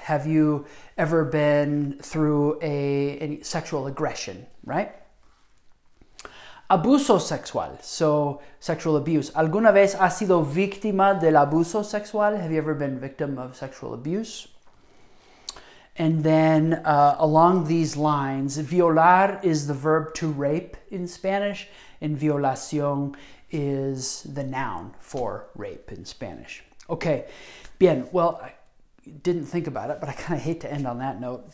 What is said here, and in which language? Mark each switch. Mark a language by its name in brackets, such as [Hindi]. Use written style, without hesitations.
[English] Have you ever been through a sexual aggression, right? [Spanish] Abuso sexual, [English] so sexual abuse. [Spanish] ¿Alguna vez has sido víctima del abuso sexual? [English] Have you ever been victim of sexual abuse? And then along these lines, violar is the verb to rape in Spanish, and violación is the noun for rape in Spanish. Okay, bien, well, I didn't think about it, but I kind of hate to end on that note.